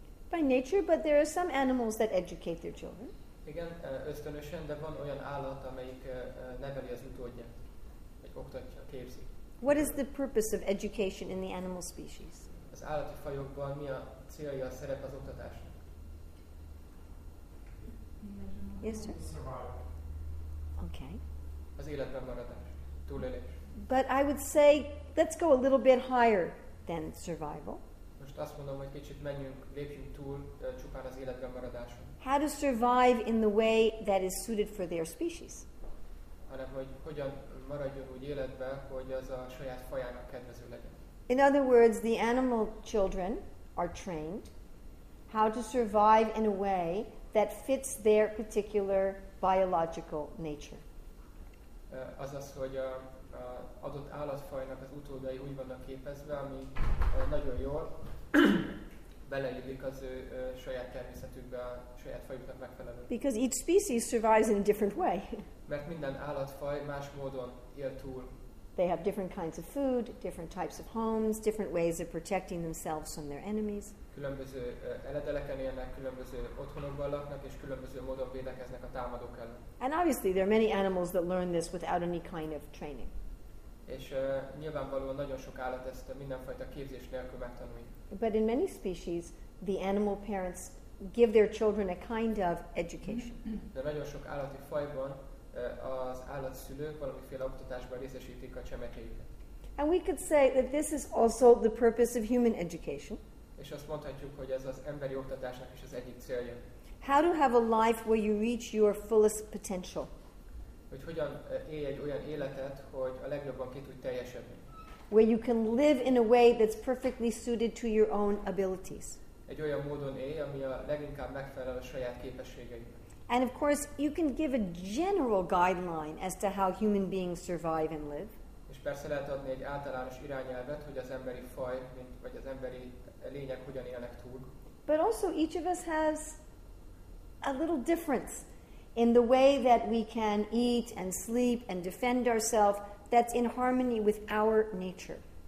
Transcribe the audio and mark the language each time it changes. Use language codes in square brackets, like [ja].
[en] By nature, but there are some animals that educate their children. [hu] Igen, ösztönösen, de van olyan állat, amelyik neveli az utódját, vagy oktatja, képzi. [en] What is the purpose of education in the animal species? [hu] Az állati fajokban mi a célja, a szerep az oktatás? [en] Yes, sir. Okay. [hu] Az életben maradás, túlélés. [en] But I would say, let's go a little bit higher than survival. [hu] Most azt mondom, hogy kicsit menjünk, lépjünk túl csupán az életben maradáson. [en] How to survive in the way that is suited for their species. [hu] Hanem, hogy hogyan maradjon úgy életben, hogy az a saját fajának kedvező legyen. [en] In other words, the animal children are trained how to survive in a way that fits their particular biological nature. [hu] Azaz, hogy a adott állatfajnak az utódai úgy vannak képezve, ami nagyon jól beleillik az ő saját természetükbe, a saját fajuknak megfelelő. [en] Because each species survives in a different way. [hu] Mert minden állatfaj más módon él túl. [en] They have different kinds of food, different types of homes, different ways of protecting themselves from their enemies. [hu] Különböző eledeleken élnek, különböző otthonokban laknak, és különböző módon védekeznek a támadók ellen. [en] And obviously there are many animals that learn this without any kind of training. [hu] És nyilvánvalóan nagyon sok állat ezt mindenfajta képzés nélkül megtanulja. [en] But in many species, the animal parents give their children a kind of education. [hu] De nagyon sok állati fajban az állatszülők valamiféle oktatásban részesítik a csemetéjüket. [en] And we could say that this is also the purpose of human education. [hu] És azt mondhatjuk, hogy ez az emberi oktatásnak is az egyik célja. [en] How to have a life where you reach your fullest potential. [hu] Hogy hogyan élj egy olyan életet, hogy a legjobban ki tudj teljesedni. [en] Where you can live in a way that's perfectly suited to your own abilities. [hu] Egy olyan módon élj, ami a leginkább megfelel a saját képességeinek. [en] And of course, you can give a general guideline as to how human beings survive and live. [hu] És persze lehet adni egy általános irányelvet, hogy az emberi faj, vagy az emberi lények hogyan élnek túl. [en] But also each of us has a little difference in the way that we can eat and sleep and defend ourselves that's in harmony with our nature.